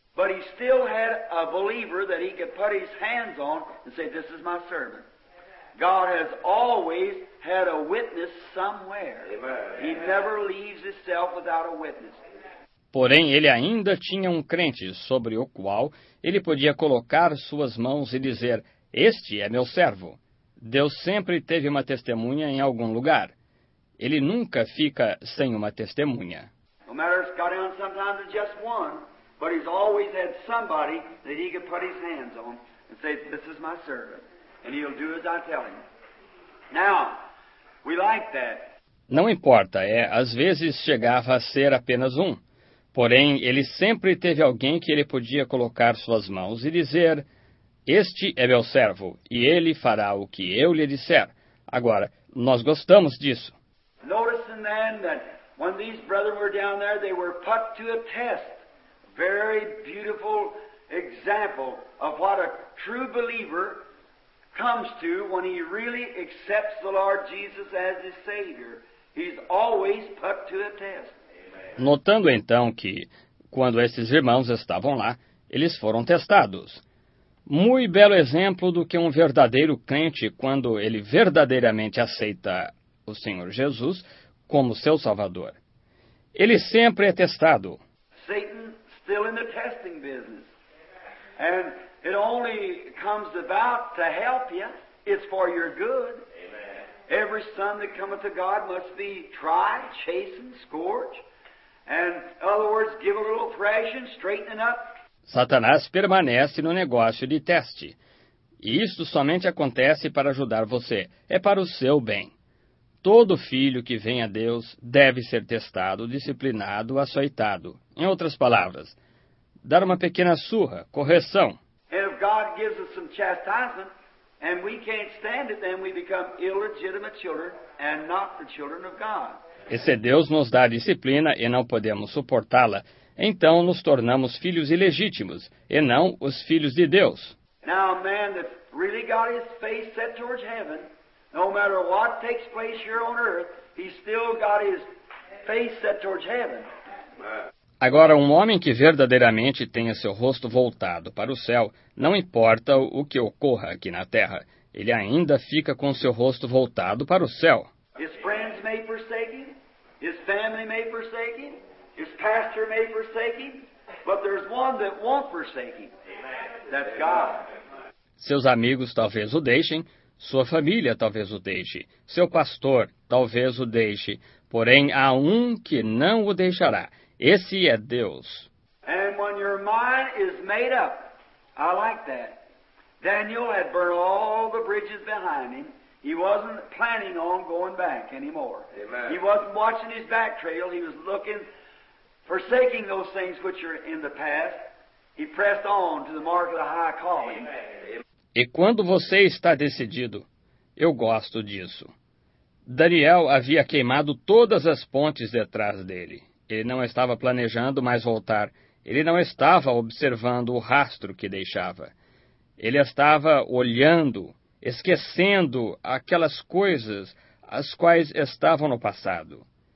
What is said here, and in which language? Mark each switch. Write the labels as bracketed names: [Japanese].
[English] But he still had a believer that he could put his hands on and say, this is my servant. God has always had a witness somewhere. Amen. He never leaves himself without a witness. [Portuguese] Porém, ele ainda tinha um crente sobre o qual ele podia colocar suas mãos e dizer, este é meu servo. Deus sempre teve uma testemunha em algum lugar. Ele nunca fica sem uma testemunha. [English] No matter if it's got down sometimes it's just one, but he's always had somebody that he could put his hands on and say, this is my servant, and he'll do as I tell him. Now, we like that. [Portuguese] Não importa, às vezes chegava a ser apenas um. Porém, ele sempre teve alguém que ele podia colocar suas mãos e dizer, este é meu servo, e ele fará o que eu lhe disser. Agora, nós gostamos disso. [English] Noticing then that when these brethren were down there, they were put to a test. Very beautiful example of what a true believer comes to when he really accepts the Lord Jesus as his Savior. He's always put to a test. [Portuguese] Notando então que, quando esses irmãos estavam lá, eles foram testados. Muito belo exemplo do que um verdadeiro crente, quando ele verdadeiramente aceita o Senhor Jesus como seu Salvador. Ele sempre é testado. [English] Satan still in the testing business. And it only comes about to help you. It's for your good. Amen. Every son that cometh to God must be tried, chastened, scourged. And in other words, give a little thrashing, straighten up. [Portuguese] Satanás permanece no negócio de teste. E isto somente acontece para ajudar você. É para o seu bem. Todo filho que vem a Deus deve ser testado, disciplinado, açoitado. Em outras palavras, dar uma pequena surra, correção. [English] And if God gives us some chastisement and we can't stand it, then we become illegitimate children and not the children of God. [Portuguese] E se Deus nos dá disciplina e não podemos suportá-la, então nos tornamos filhos ilegítimos, e não os filhos de Deus. [English] Now, a man that really got his face set towards heaven, no matter what takes place here on earth, he still got his face set towards heaven. [Portuguese] Agora, um homem que verdadeiramente tenha seu rosto voltado para o céu, não importa o que ocorra aqui na terra, ele ainda fica com seu rosto voltado para o céu. [English] His friends may forsake him. His family may forsake him, his pastor may forsake him, but there's one that won't forsake him. That's God. [Portuguese] Seus amigos talvez o deixem, sua família talvez o deixe, seu pastor talvez o deixe, porém há um que não o deixará. Esse é Deus. [English] And when your mind is made up, I like that. Daniel had burned all the bridges behind him. He wasn't planning on going back anymore. Amen. He wasn't watching his back trail. He was looking, forsaking those things which are in the past. He pressed on to the mark of the high calling. Amen. [Portuguese] E quando você está decidido, eu gosto disso. Daniel havia queimado todas as pontes detrás dele. Ele não estava planejando mais voltar. Ele não estava observando o rastro que deixava. Ele estava olhando, esquecendo aquelas coisas as quais estavam no passado.